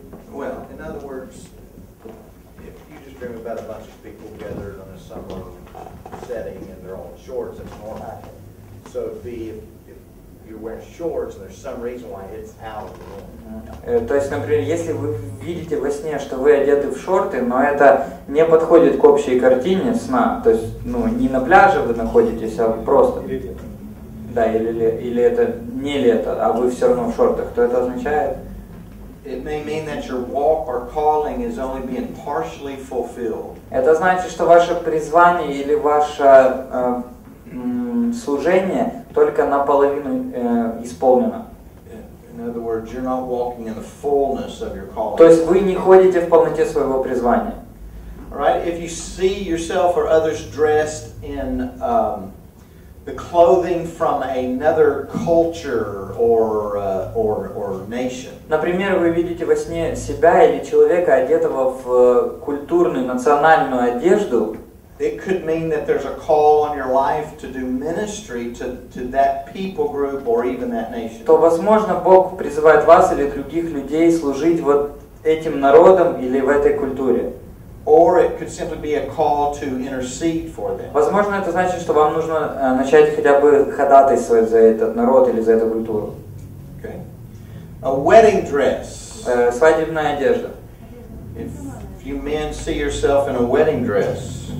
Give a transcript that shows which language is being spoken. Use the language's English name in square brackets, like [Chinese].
[English] Well, in other words, if you just dream about a bunch of people gathered on a summer setting and they're all in shorts, that's normal. So if you're wearing shorts and there's some reason why it's out. [Russian] То есть, например, если вы видите во сне, что вы одеты в шорты, но это не подходит к общей картине сна, то есть, ну, не на пляже вы находитесь, а просто. Да, или это не лето, а вы все равно в шортах. То это означает? [English] It may mean that your walk or calling is only being partially fulfilled. [Russian] Это значит, что ваше призвание или ваше служение только наполовину исполнено. [English] In other words, you're not walking in the fullness of your calling. [Russian] То есть вы не ходите в полноте своего призвания. [English] Right? If you see yourself or others dressed in the clothing from another culture or nation. [Russian] Например, вы видите во сне себя или человека, одетого в культурную национальную одежду. [English] It could mean that there's a call on your life to do ministry to that people group or even that nation. [Russian] То возможно, Бог призывает вас или других людей служить вот этим народом или в этой культуре. [English] Or it could simply be a call to intercede for them. [Russian] Возможно, это значит, что вам нужно начать хотя бы ходатайствовать за этот народ или за эту культуру. [English] Okay. A wedding dress. [Russian] Свадебная одежда. [English] If you men see yourself in a wedding dress.